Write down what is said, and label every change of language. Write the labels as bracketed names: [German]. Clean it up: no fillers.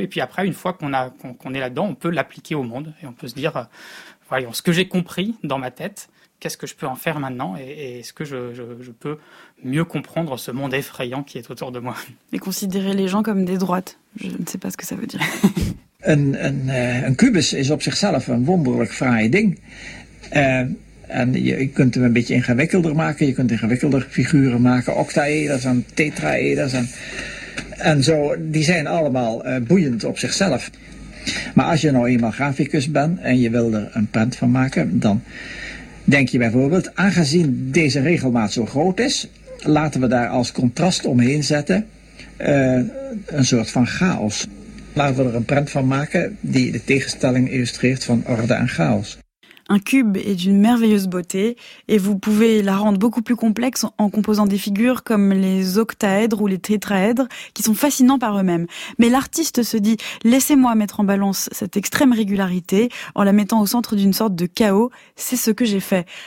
[French] Et puis après, une fois qu'on est là-dedans, on peut l'appliquer au monde. Et on peut se dire, voyons, ce que j'ai compris dans ma tête, qu'est-ce que je peux en faire maintenant et est-ce que je peux mieux comprendre ce monde effrayant qui est autour de moi. Et considérer les gens comme des droites, je ne sais pas ce que ça veut dire. [Dutch] Un kubus is op zichzelf een wonderlijk fraai ding. En je kunt hem een beetje ingewikkelder maken. Je kunt ingewikkelder figuren maken, octaeders en tetraeders en zo. Die zijn allemaal boeiend op zichzelf. Maar als je nou eenmaal graficus bent en je wil er een print van maken, dan denk je bijvoorbeeld, aangezien deze regelmaat zo groot is, laten we daar als contrast omheen zetten een soort van chaos. Laten we er een print van maken die de tegenstelling illustreert van orde en chaos. [French] Un cube est d'une merveilleuse beauté et vous pouvez la rendre beaucoup plus complexe en composant des figures comme les octaèdres ou les tétraèdres qui sont fascinants par eux-mêmes. Mais l'artiste se dit, laissez-moi mettre en balance cette extrême régularité en la mettant au centre d'une sorte de chaos, c'est ce que j'ai fait.